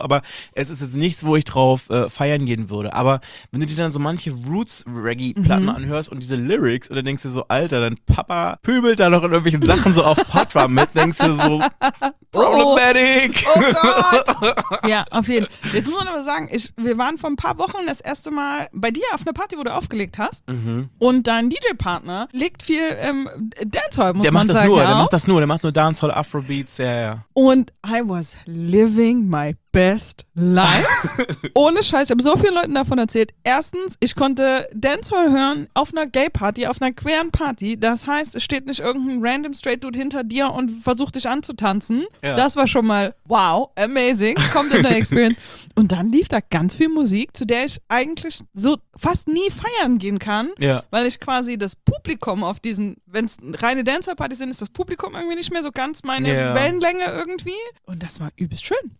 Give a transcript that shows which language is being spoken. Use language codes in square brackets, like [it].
[de] Aber es ist jetzt nichts, wo ich drauf feiern gehen würde. Aber wenn du dir dann so manche Roots-Reggae-Platten anhörst und diese Lyrics und dann denkst du so, Alter, dein Papa pübelt da noch in irgendwelchen Sachen so auf Patois mit, denkst du so, problematic. Oh Gott. Ja, auf jeden Fall. Jetzt muss man aber sagen, wir waren vor ein paar Wochen das erste Mal bei dir auf einer Party, wo du aufgelegt hast. Mhm. Und dein DJ-Partner legt viel Dancehall, muss der man sagen. Der macht nur Dancehall, Afrobeat. [en] Und I was living my best life. [de] Ohne Scheiß, ich habe so vielen Leuten davon erzählt. Erstens, ich konnte Dancehall hören auf einer Gay-Party, auf einer queeren Party. Das heißt, es steht nicht irgendein [en] random straight dude [de] hinter dir und versucht dich anzutanzen. Ja. Das war schon mal [en] wow, amazing, [de] kommt in der Experience. Und dann lief da ganz viel Musik, zu der ich eigentlich so fast nie feiern gehen kann, weil ich quasi das Publikum auf diesen, wenn es reine Dancehall-Partys sind, ist das Publikum irgendwie nicht mehr so ganz meine Wellenlänge irgendwie. Und das war übelst schön.